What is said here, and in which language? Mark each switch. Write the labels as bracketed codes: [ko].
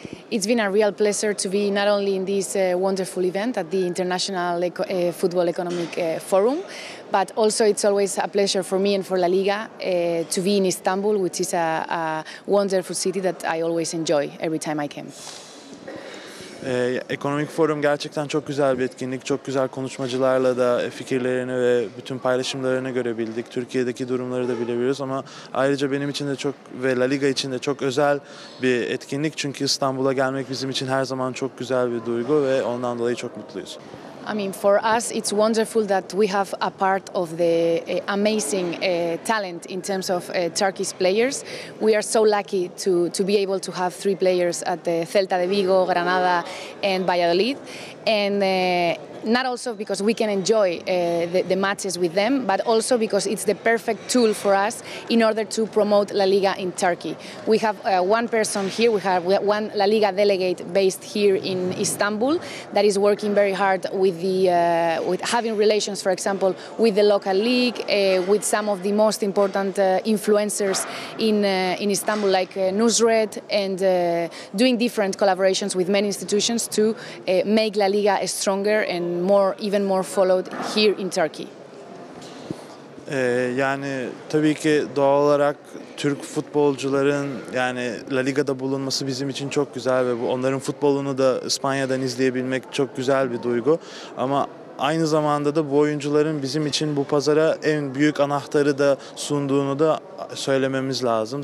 [en] It's been a real pleasure to be not only in this wonderful event at the International Football Economic Forum, but also it's always a pleasure for me and for La Liga to be in Istanbul, which is a wonderful city that I always enjoy every time I come. [tr] Ekonomik Forum gerçekten çok güzel bir etkinlik. Çok güzel konuşmacılarla da fikirlerini ve bütün paylaşımlarını görebildik. Türkiye'deki durumları da bilebiliyoruz ama ayrıca benim için de çok ve La Liga için de çok özel bir etkinlik. Çünkü İstanbul'a gelmek bizim için her zaman çok güzel bir duygu ve ondan dolayı çok mutluyuz. [en] I mean, for us, it's wonderful that we have a part of the amazing talent in terms of Turkish players. We are so lucky to be able to have three players at the Celta de Vigo, Granada, and Valladolid. And not also because we can enjoy the matches with them, but also because it's the perfect tool for us in order to promote La Liga in Turkey. We have one person here, we have one La Liga delegate based here in Istanbul that is working very hard with having relations, for example, with the local league, with some of the most important influencers in Istanbul, like Nusret, and doing different collaborations with many institutions to make La Liga stronger and even more followed here in Turkey. [tr] Yani tabii ki doğal olarak Türk futbolcuların yani La Liga'da bulunması bizim için çok güzel ve bu onların futbolunu da İspanya'dan izleyebilmek çok güzel bir duygu. Ama aynı zamanda da bu oyuncuların bizim için bu pazara en büyük anahtarı da sunduğunu da söylememiz lazım.